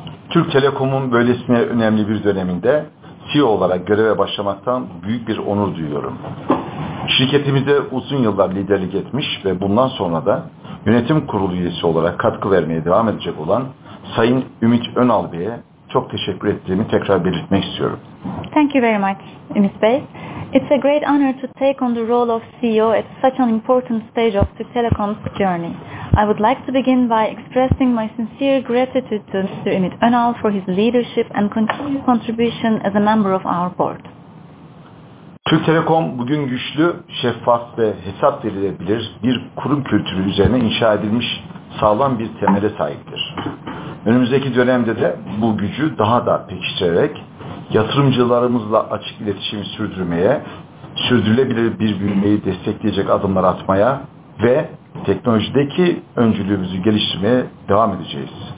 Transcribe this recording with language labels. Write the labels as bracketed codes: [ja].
[tr] Türk Telekom'un böylesine önemli bir döneminde CEO olarak göreve başlamaktan büyük bir onur duyuyorum. Şirketimize uzun yıllar liderlik etmiş ve bundan sonra da yönetim kurulu üyesi olarak katkı vermeye devam edecek olan Sayın Ümit Önal Bey'e çok teşekkür ettiğimi tekrar belirtmek istiyorum. [en] Thank you very much, Ümit Bey. It's a great honor to take on the role of CEO at such an important stage of Türk Telekom's journey. I would like to begin by expressing my sincere gratitude to Mr. Ümit Önal for his leadership and continued contribution as a member of our board. [tr] Türk Telekom bugün güçlü, şeffaf ve hesap verilebilir bir kurum kültürü üzerine inşa edilmiş sağlam bir temele sahiptir. Önümüzdeki dönemde de bu gücü daha da pekiştirerek yatırımcılarımızla açık iletişimi sürdürmeye, sürdürülebilir bir büyümeyi destekleyecek adımlar atmaya ve teknolojideki öncülüğümüzü geliştirmeye devam edeceğiz.